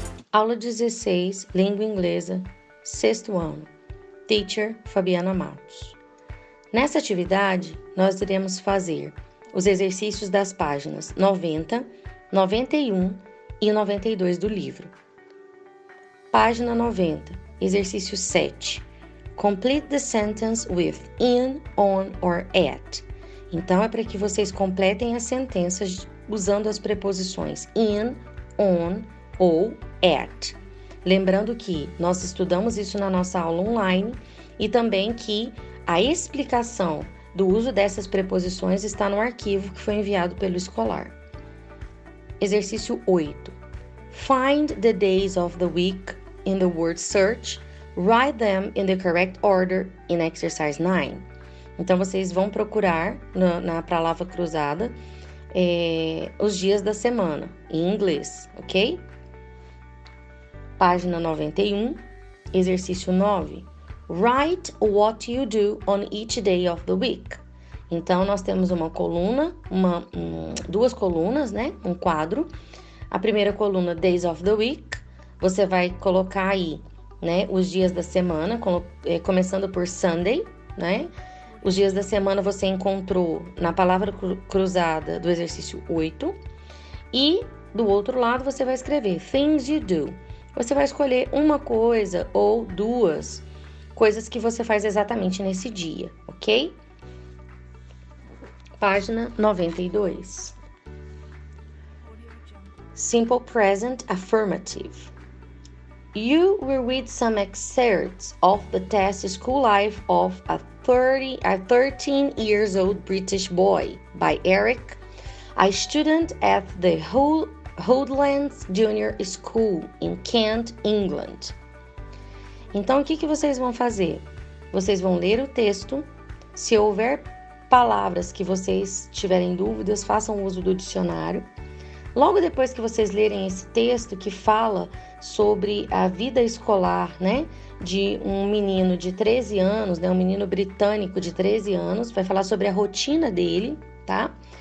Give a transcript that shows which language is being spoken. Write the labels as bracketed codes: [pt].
[pt] Aula 16, Língua Inglesa, 6º ano. Teacher Fabiana Matos. Nesta atividade, nós iremos fazer os exercícios das páginas 90, 91 e 92 do livro. Página 90, exercício 7. [en] Complete the sentence with in, on or at. [pt] Então, é para que vocês completem as sentenças usando as preposições in, on ou at. Lembrando que nós estudamos isso na nossa aula online e também que a explicação do uso dessas preposições está no arquivo que foi enviado pelo escolar. Exercício 8. [en] Find the days of the week in the word search. Write them in the correct order in exercise 9. [pt] Então, vocês vão procurar na palavra cruzada os dias da semana em inglês, ok? Página 91, exercício 9. [en] Write what you do on each day of the week. [pt] Então, nós temos uma coluna, duas colunas, né? Um quadro. A primeira coluna, [en] days of the week. [pt] Você vai colocar aí, né, os dias da semana, começando por Sunday, né? Os dias da semana você encontrou na palavra cruzada do exercício 8. E do outro lado você vai escrever [en] things you do. [pt] Você vai escolher uma coisa ou duas coisas que você faz exatamente nesse dia, ok? Página 92. [en] Simple present affirmative. You will read some excerpts of the test School Life of a 13 years old British boy by Eric, a student at the Hoodlands Junior School in Kent, England. [pt] Então, o que vocês vão fazer? Vocês vão ler o texto. Se houver palavras que vocês tiverem dúvidas, façam uso do dicionário. Logo depois que vocês lerem esse texto que fala sobre a vida escolar, né, de um menino de 13 anos, né, um menino britânico de 13 anos, vai falar sobre a rotina dele, tá?